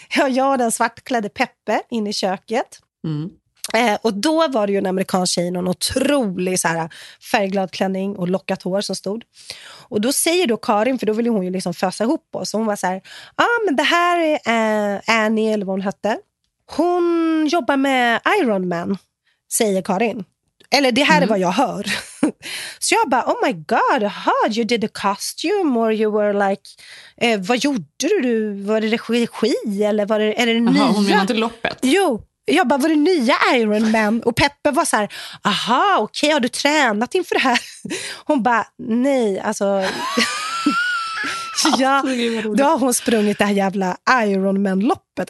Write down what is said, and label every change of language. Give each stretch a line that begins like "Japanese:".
Swedish: Jag och den svartklädde Peppe in i köket. Och då var det ju en amerikansk tjej, någon otrolig så här färgglad klänning och lockat hår som stod. Och då säger då Karin, för då ville hon ju liksom fösa ihop oss. Hon var så här, men det här är Annie, eller vad hon hette. Hon jobbar med Iron Man, säger Karin. Eller det här är vad jag hör. Så jag bara,
English: oh my god, heard you did the costume, or you were like,
Swedish: vad gjorde du? Var det regi eller var det, är det nya? Hon menar inte loppet. Jo, jag bara, var det nya Iron Man? Och Peppe var så här, aha, okej, har du tränat inför det här? Hon bara, nej, alltså... Ja, då har hon sprungit det här jävla Iron Man-loppet.